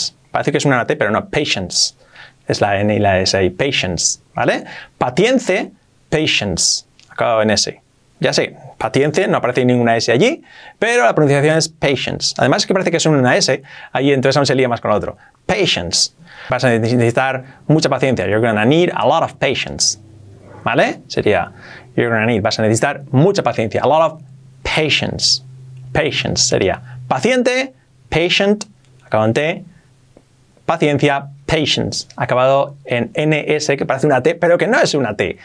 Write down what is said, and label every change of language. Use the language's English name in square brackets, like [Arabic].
[Spanish] Parece que es una T, pero no, patience. Es la N y la S ahí, patience, ¿vale? Patience, patience, acabado en S. Ya sé, paciencia, no aparece ninguna S allí, pero la pronunciación es patience. Además, es que parece que es una S allí, entonces aún se lía más con otro. Patience. Vas a necesitar mucha paciencia. [English] You're gonna need a lot of patience. [Spanish] ¿Vale? Sería, [English] you're gonna need, [Spanish] vas a necesitar mucha paciencia. [English] A lot of patience. [Spanish] Patience sería paciente, patient, acabado en T, paciencia, patience, acabado en NS, que parece una T, pero que no es una T.